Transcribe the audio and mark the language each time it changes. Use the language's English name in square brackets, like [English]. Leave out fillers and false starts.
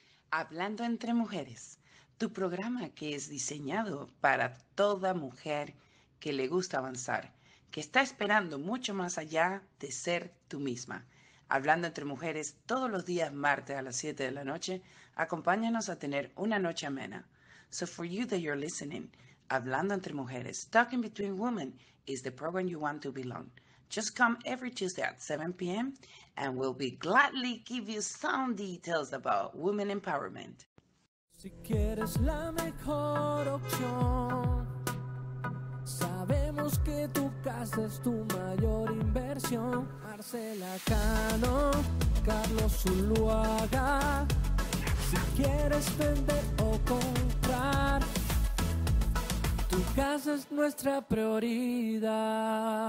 [Spanish] Hablando entre mujeres, tu programa que es diseñado para toda mujer que le gusta avanzar, que está esperando mucho más allá de ser tú misma. Hablando entre mujeres, todos los días martes a las 7 de la noche, acompáñanos a tener una noche amena. [English] So for you that you're listening, Hablando entre mujeres, Talking Between Women is the program you want to belong. Just come every Tuesday at 7 p.m. and we'll be gladly give you some details about women empowerment. [Spanish] Si quieres la mejor opción, sabemos que tu casa es tu mayor inversión. Marcela Cano, Carlos Zuluaga. Si quieres vender o comprar, tu casa es nuestra prioridad.